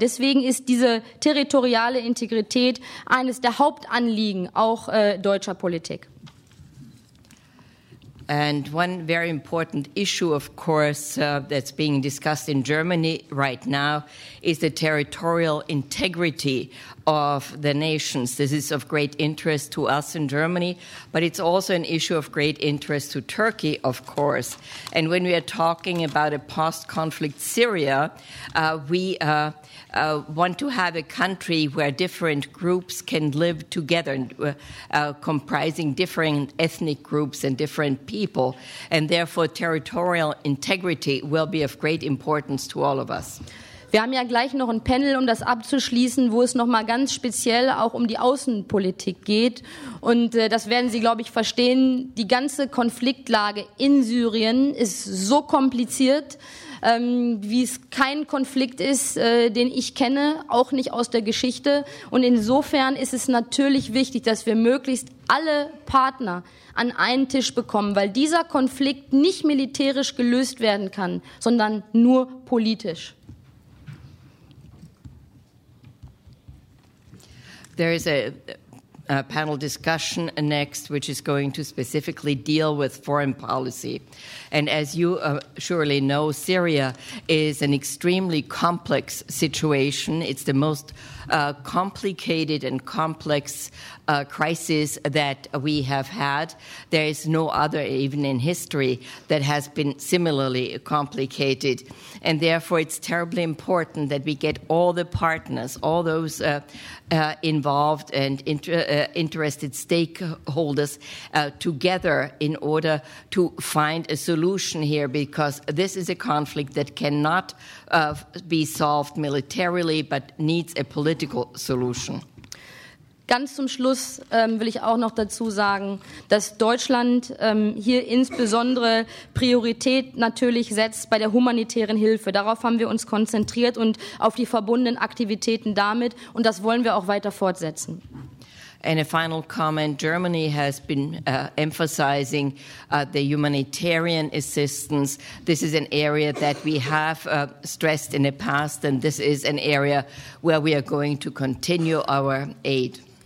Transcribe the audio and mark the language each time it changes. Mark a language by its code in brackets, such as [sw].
[de] Deswegen ist diese territoriale Integrität eines der Hauptanliegen auch deutscher Politik. [en] And one very important issue, of course, that's being discussed in Germany right now is the territorial integrity of the nations. This is of great interest to us in Germany, but it's also an issue of great interest to Turkey, of course. And when we are talking about a post-conflict Syria, want to have a country where different groups can live together, comprising different ethnic groups and different people, and therefore territorial integrity will be of great importance to all of us. [de] Wir haben ja gleich noch ein Panel, um das abzuschließen, wo es nochmal ganz speziell auch um die Außenpolitik geht. Und das werden Sie, glaube ich, verstehen. Die ganze Konfliktlage in Syrien ist so kompliziert, wie es kein Konflikt ist, den ich kenne, auch nicht aus der Geschichte. Und insofern ist es natürlich wichtig, dass wir möglichst alle Partner an einen Tisch bekommen, weil dieser Konflikt nicht militärisch gelöst werden kann, sondern nur politisch. [en] There is a panel discussion next, which is going to specifically deal with foreign policy. And as you surely know, Syria is an extremely complex situation. It's the most complicated and complex crisis that we have had. There is no other, even in history, that has been similarly complicated. And therefore, it's terribly important that we get all the partners, all those involved and interested stakeholders together in order to find a solution here, because this is a conflict that cannot be solved militarily, but needs a political solution. [de] Ganz zum Schluss will ich auch noch dazu sagen, dass Deutschland hier insbesondere Priorität natürlich setzt bei der humanitären Hilfe. Darauf haben wir uns konzentriert und auf die verbundenen Aktivitäten damit. Und das wollen wir auch weiter fortsetzen. [en] And a final comment, Germany has been emphasizing the humanitarian assistance. This is an area that we have stressed in the past, and this is an area where we are going to continue our aid.